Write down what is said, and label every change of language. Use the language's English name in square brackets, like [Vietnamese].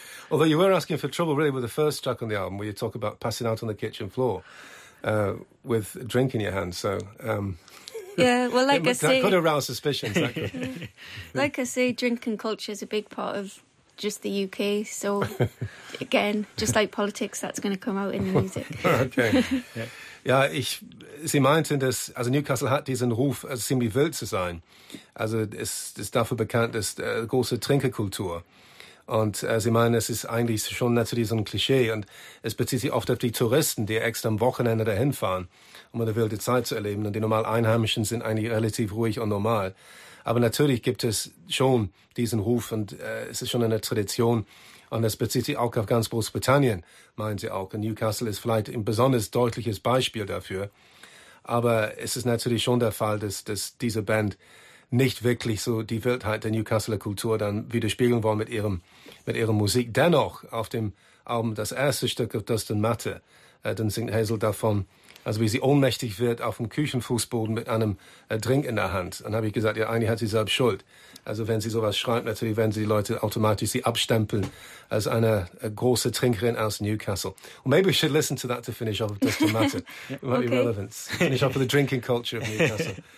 [English] Although you were asking for trouble, really, with the first track on the album, where you talk about passing out on the kitchen floor with a drink in your hand. So. Yeah, well, like I say, that could arouse suspicion. Exactly. Like I say, drinking culture is a big part of just the UK, so again, just like politics, that's going to come out in the music. Okay. [German] Sie meinten, dass also Newcastle hat diesen Ruf, also ziemlich wild zu sein. Also es ist dafür bekannt, dass große Trinkerkultur. Und sie meinen, es ist eigentlich schon natürlich so ein Klischee und es bezieht sich oft auf die Touristen, die extra am Wochenende dahin fahren, um eine wilde Zeit zu erleben. Und die normal Einheimischen sind eigentlich relativ ruhig und normal. Aber natürlich gibt es schon diesen Ruf und es ist schon eine Tradition. Und das bezieht sich auch auf ganz Großbritannien, meinen sie auch. Und Newcastle ist vielleicht ein besonders deutliches Beispiel dafür. Aber es ist natürlich schon der Fall, dass diese Band nicht wirklich so die Wildheit der Newcastler Kultur dann widerspiegeln wollen mit ihrer Musik. Dennoch, auf dem Album, das erste Stück auf Dustin Matte, dann singt Hazel davon, also wie sie ohnmächtig wird auf dem Küchenfußboden mit einem Drink in der Hand. Dann habe ich gesagt, ja, eigentlich hat sie selbst Schuld. Also wenn sie sowas schreibt, natürlich werden sie die Leute automatisch sie abstempeln als eine große Trinkerin aus Newcastle. [English] Well, maybe we should listen to that to finish off, just to matter. It might be relevant. Finish off with the drinking culture of Newcastle.